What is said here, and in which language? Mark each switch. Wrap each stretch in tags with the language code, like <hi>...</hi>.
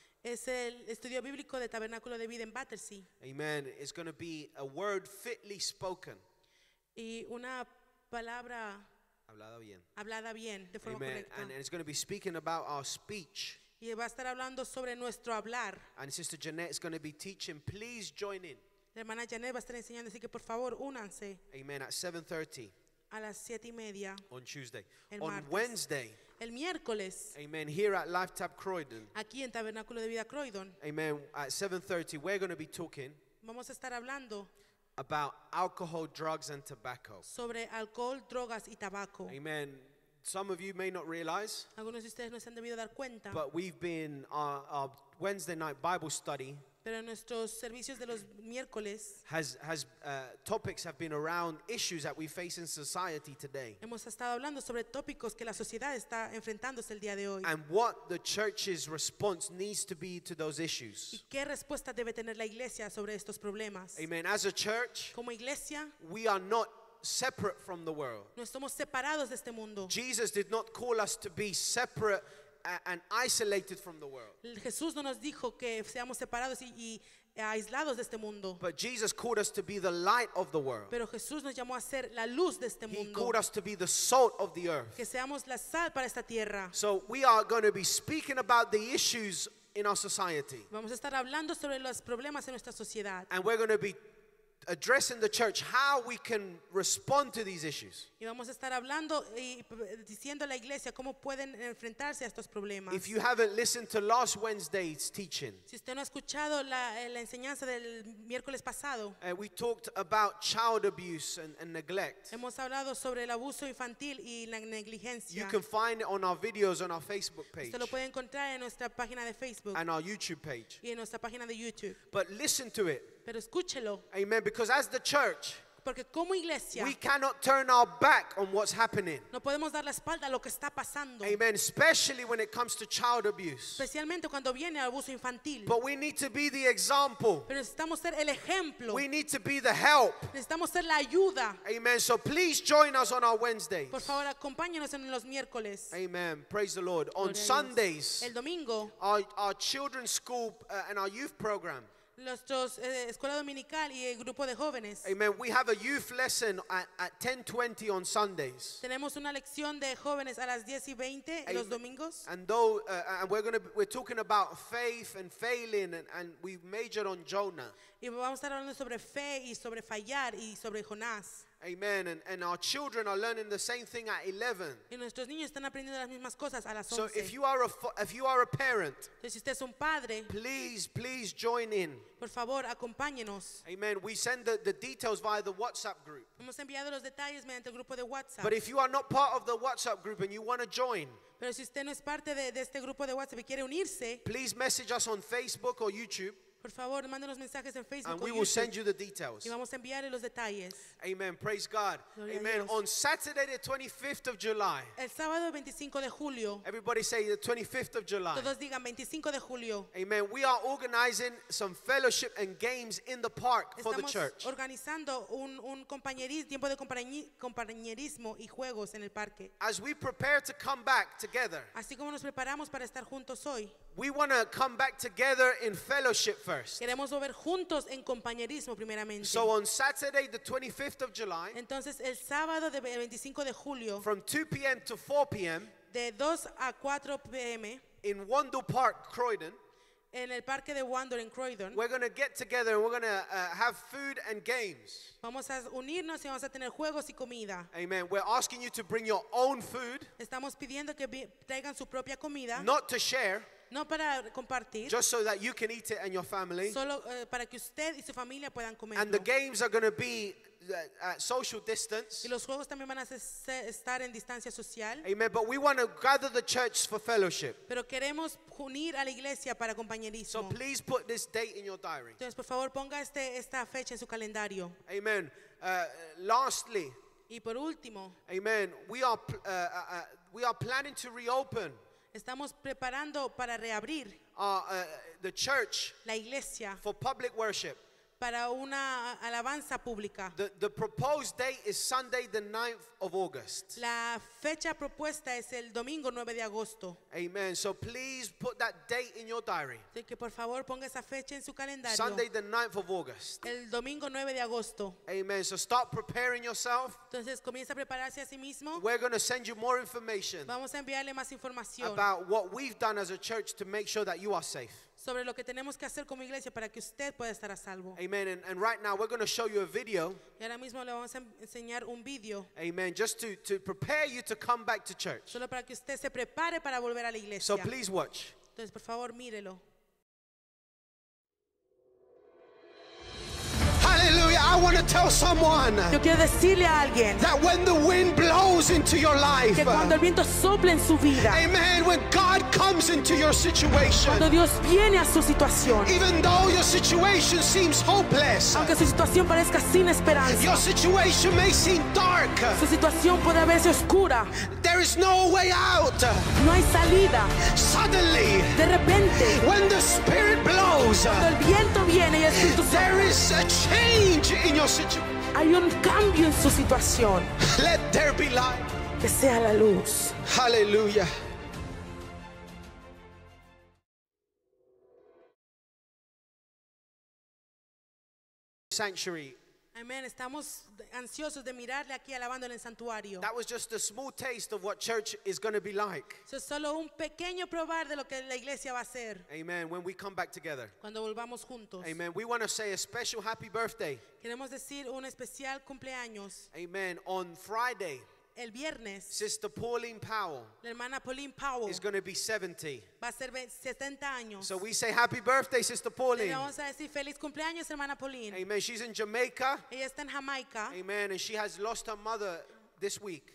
<es>Es el estudio bíblico de Tabernáculo de Vida en Battersea.</es> <en>Amen. It's going to be a word fitly spoken.</en> <es>Y una palabra hablada bien, de forma amen. Correcta.</es> <en>And it's going to be speaking about our speech.</en> <es>Y va a estar hablando sobre nuestro hablar.</es> <en>And Sister Jeanette is going to be teaching. Please join in.</en> <es>La hermana Janet va a estar enseñando, así que por favor, únanse.</es> <en>Amen. At 7:30.</en> <es>A las 7:30.</es> <en>On Tuesday.</en> <es>El</es> <en>on</en> <es>martes.</es> <en>Wednesday.</en> <es>El miércoles.</es> <en>Amen. Here at Life Tab Croydon.</en> <es>Aquí en Tabernáculo de Vida Croydon.</es> <en>Amen. At 7:30, we're going to be talking.</en> <es>Vamos a estar hablando.</es> <en>About alcohol, drugs, and tobacco.</en> <es>Sobre alcohol, drogas y tabaco.</es> <en>Amen. Some of you may not realize.</en> <es>Algunos de ustedes no se han debido dar cuenta.</es> <en>But we've been our Wednesday night Bible study.</en> <es>Pero nuestros servicios de los miércoles</es> <en>has topics have been around issues that we face in society today.</en> <es>Hemos estado hablando sobre tópicos que la sociedad está enfrentándose el día de hoy.</es> <en>And what the church's response needs to be to those issues.</en> <es>¿Y qué respuesta debe tener la iglesia sobre estos problemas?</es> <en>Amen. As a church,</en> <es>como iglesia,</es> <en>we are not separate from the world.</en> <es>No estamos separados de este mundo.</es> <en>Jesus did not call us to be separate and isolated from the world.</en> <es>Jesús no nos dijo que seamos separados y aislados de este mundo.</es> <en>But Jesus called us to be the light of the world.</en> <es>Pero Jesús nos llamó a ser la luz de este mundo.</es> <en>He called us to be the salt of the earth.</en> <es>Que seamos la sal para esta tierra.</es> <en>So we are going to be speaking about the issues in our society.</en> <es>Vamos a estar hablando sobre los problemas en nuestra sociedad.</es> <en>And we're going to be address in the church how we can respond to these issues.</en> <es>Y vamos a estar hablando y diciendo a la iglesia cómo pueden enfrentarse a estos problemas.</es> <en>If you haven't listened to last Wednesday's teaching,</en> <es>si usted no ha escuchado la enseñanza del miércoles pasado,</es> <en>we talked about child abuse and neglect.</en> <es>Hemos hablado sobre el abuso infantil y la negligencia.</es> <en>You can find it on our videos on our Facebook page.</en> <es>Usted lo puede encontrar en nuestra página de Facebook.</es> <en>And our YouTube page.</en> <es>Y en nuestra página de YouTube.</es> <en>But listen to it.</en> <es>Pero escúchelo.</es> <en>Amen. Because as the church,</en> <es>porque como iglesia,</es> <en>we cannot turn our back on what's happening.</en> <es>No podemos dar la espalda a lo que está pasando.</es> <en>Amen. Especially when it comes to child abuse.</en> <es>Especialmente cuando viene el abuso infantil.</es> <en>But we need to be the example.</en> <es>Pero necesitamos ser el ejemplo.</es> <en>We need to be the help.</en> <es>Necesitamos ser la ayuda.</es> <en>Amen. So please join us on our Wednesdays.</en> <es>Por favor, acompáñenos en los miércoles.</es> <en>Amen. Praise the Lord. On Sundays,</en> <es>el domingo,</es> <en>our children's school and our youth program.</en> <es>Nuestros escuela dominical y el grupo de jóvenes.</es> <en>Amen. We have a youth lesson at 10:20 on Sundays.</en> <es>Tenemos una lección de jóvenes a las 10:20 los domingos.</es> <en>And we're talking about faith and failing and we majored on Jonah.</en> <es>Y vamos a estar hablando sobre fe y sobre fallar y sobre Jonás.</es> <en>Amen. And our children are learning the same thing at 11.</en> <es>Y nuestros niños están aprendiendo las mismas cosas a las 11.</es> <en>So if you are a parent,</en> <es>entonces, si usted es un padre,</es> <en>please join in.</en> <es>Por favor, acompáñenos.</es> <en>Amen. We send the details via the WhatsApp group.</en> <es>Hemos enviado los detalles mediante el grupo de WhatsApp.</es> <en>But if you are not part of the WhatsApp group and you want to join,</en> <es>pero si usted no es parte de este grupo de WhatsApp y quiere unirse,</es> <en>please message us on Facebook or YouTube.</en> <es>Por favor, mándenos mensajes en Facebook.</es> <en>And we will send you the details.</en> <es>Y vamos a enviarle los detalles.</es> <en>Amen. Praise God.</en> <es>Gloria</es> <en>Amen. On Saturday, the 25th of July.</en> <es>El sábado 25 de julio.</es> <en>Everybody say the 25th of July.</en> <es>Todos digan 25 de julio.</es> <en>Amen. We are organizing some fellowship and games in the park</en> <es>Estamos</es> <en>for the church.</en> <es>Estamos organizando un compañerismo, tiempo de compañerismo y juegos en el parque.</es> <en>As we prepare to come back together.</en> <es>Así como nos preparamos para estar juntos hoy.</es> <en>We want to come back together in fellowship first.</en> <es>Queremos volver juntos en compañerismo primeramente.</es> <en>So on Saturday, the 25th of July,</en> <es>entonces el sábado del 25 de julio,</es> <en>from 2 p.m. to 4 p.m.,</en> <es>de 2 a 4 p.m.,</es> <en>in Wandle Park, Croydon,</en> <es>en el parque de Wander en Croydon,</es> <en>we're going to get together and we're going to have food and games.</en> <es>Vamos a unirnos y vamos a tener juegos y comida.</es> <en>Amen. We're asking you to bring your own food.</en> <es>Estamos pidiendo que traigan su propia comida.</es> <en>Not to share.</en> <es>No para compartir.</es> <en>Just so that you can eat it and your family.</en> <es>Solo para que usted y su familia puedan comer.</es> <en>And the games are going to be at social distance.</en> <es>Y los juegos también van a estar en distancia social.</es> <en>Amen. But we want to gather the church for fellowship.</en> <es>Pero queremos unir a la iglesia para compañerismo.</es> <en>So please put this date in your diary.</en> <es>Entonces, por favor, ponga esta fecha en su calendario.</es> <en>Amen. Lastly.</en> <es>Y por último.</es> <en>Amen. We are planning to reopen.</en> <es>Estamos preparando para reabrir</es> <en>the church,</en> <es>la iglesia,</es> <en>for public worship,</en> <es>para una alabanza pública.</es> <en>The proposed date is Sunday the 9th of August.</en> <es>La fecha propuesta es el domingo 9 de agosto.</es> <en>Amen. So please put that date in your diary.</en> <es>Así que por favor ponga esa fecha en su calendario.</es> <en>Sunday the 9th of August.</en> <es>El domingo 9 de agosto.</es> <en>Amen. So start preparing yourself.</en> <es>Entonces comienza a prepararse a sí mismo.</es> <en>We're going to send you more information.</en> <es>Vamos a enviarle más información.</es> <en>About what we've done as a church to make sure that you are safe.</en> <es>Sobre lo que tenemos que hacer como iglesia para que usted pueda estar a salvo.</es> <en>Amen. And right now we're going to show you a video.</en> <es>Y ahora mismo le vamos a enseñar un video.</es> <en>Amen. Just to prepare you to come back to church.</en> <es>Solo para que usted se prepare para volver a la iglesia.</es> <en>So please watch.</en> <es>Entonces, por favor, mírelo.</es> <en>I want to tell someone,</en> <es>yo quiero decirle a alguien,</es> <en>that when the wind blows into your life,</en> <es>que cuando el viento sople en su vida,</es> <en>amen, when God comes into your situation,</en> <es>cuando Dios viene a su situación,</es> <en>even though your situation seems hopeless,</en> <es>aunque su situación parezca sin esperanza,</es> <en>your situation may seem dark,</en> <es>su situación puede verse oscura,</es> <en>there is no way out,</en> <es>no hay salida,</es> <en>suddenly,</en> <es>de repente,</es> <en>when the Spirit blows,</en> <es>cuando el viento viene y el Espíritu sopla,</es> <en>there is a change in your situation.</en> <es>Hay un cambio en su situación.</es> <en>Let there be light.</en> <es>Que sea la luz.</es> <en>Hallelujah. Sanctuary. Amen.</en> <es>Estamos ansiosos de mirarle aquí alabando en el santuario.</es> <en>That was just a small taste of what church is going to be like.</en> <es>Eso es solo un pequeño probar de lo que la iglesia va a ser.</es> <en>Amen. When we come back together.</en> <es>Cuando volvamos juntos.</es> <en>Amen. We want to say a special happy birthday.</en> <es>Queremos decir un especial cumpleaños.</es> <en>Amen. On Friday.</en> <es>El viernes,</es> <en>Sister Pauline Powell,</en> <es>la hermana Pauline Powell</es> <en>is going to be 70.</en> <es>Va a ser 70 años.</es> <en>So we say happy birthday, Sister Pauline.</en> <es>Le vamos a decir feliz cumpleaños, hermana Pauline.</es> <en>Amen. She's in Jamaica.</en> <es>Ella está en Jamaica.</es> <en>Amen. And she has lost her mother this week.</en>